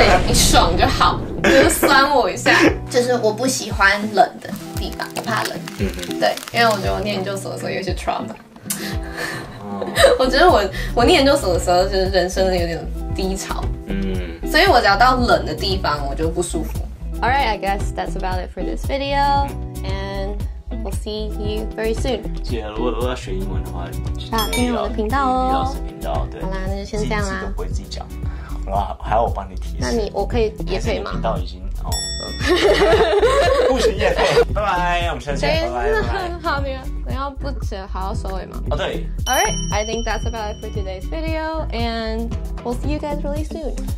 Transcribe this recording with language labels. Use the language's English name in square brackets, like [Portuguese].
[Chinese] 对，你爽就好，你就酸我一下。就是我不喜欢冷的地方，我怕冷。嗯，对，因为我觉得我念研究所的时候有些 trauma。我觉得我念研究所的时候就是人生有点低潮。所以我只要到冷的地方我就不舒服。 [English] Alright, I guess that's about it for this video. And we'll see you very soon. [Chinese] 姐，如果要学英文的话，打进我的频道哦，李老师频道。对，好啦，那就先这样啦，自己都不会自己讲，还要我帮你提示。那你我可以也可以吗？频道已经哦，不行也可以。拜拜，我们下次见。好，你要不只好好收尾吗？哦，对。 [English] Alright, I think that's about it for today's video. AndWe'll see you guys really soon.